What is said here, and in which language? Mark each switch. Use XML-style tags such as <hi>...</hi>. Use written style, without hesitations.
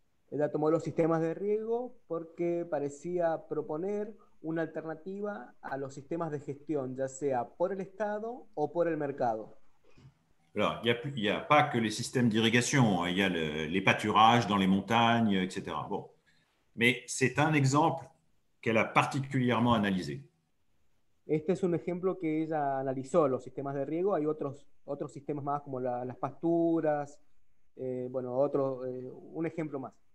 <fr>Elle a</fr> <es>tomé los sistemas de riego porque parecía proponer una alternativa a los sistemas de gestión, ya sea por el Estado o por el mercado.</es> <fr>Alors, il y a pas que les systèmes d'irrigation, il y a les pâturages dans les montagnes, etc. Bon, mais c'est un exemple qu'elle a particulièrement analysé.</fr> <es>Este es un ejemplo que ella analizó, los sistemas de riego. Hay otros sistemas más, como las pasturas, bueno, otro, un ejemplo más.</es>